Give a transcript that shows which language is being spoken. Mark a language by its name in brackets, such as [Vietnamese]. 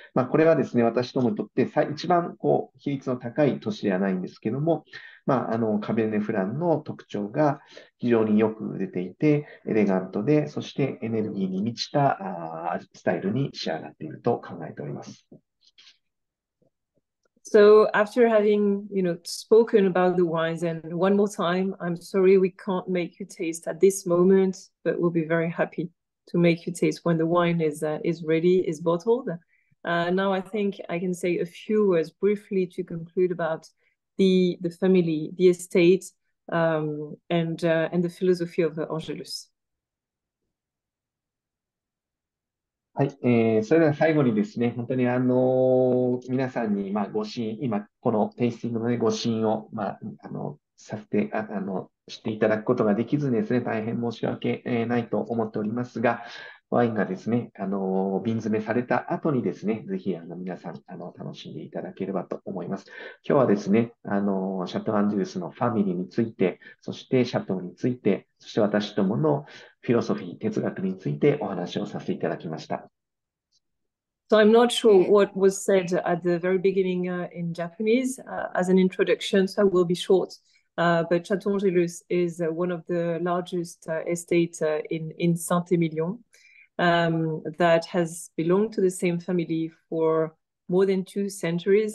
[Japanese] これはですね、私どもにとって一番こう比率の高い年ではないんですけども、カベネフランの特徴が非常によく出ていて、エレガントで、そしてエネルギーに満ちたスタイルに仕上がっていると考えております。 [English] So after having, you know, spoken about the wines, and one more time, I'm sorry we can't make you taste at this moment, but we'll be very happy to make you taste when the wine is ready, is bottled. Now I think I can say a few words briefly to conclude about the family, the estate, and the philosophy of Angelus. [Japanese] はい、それでは最後にですね、本当に皆さんに、ご試飲、今このテイスティングの、ね、ご試飲を、させて、していただくことができずにですね、大変申し訳ないと思っておりますが、ワインがですね、瓶詰めされた後にですね、ぜひ皆さん楽しんでいただければと思います。今日はですね、シャトーアンジェルスのファミリーについて、そしてシャトーについて、そして私どものフィロソフィー、哲学についてお話をさせていただきました。 [English] So I'm not sure what was said at the very beginning in Japanese as an introduction, so I will be short. But Château Angelus is one of the largest estates in Saint-Emilion. That has belonged to the same family for more than two centuries.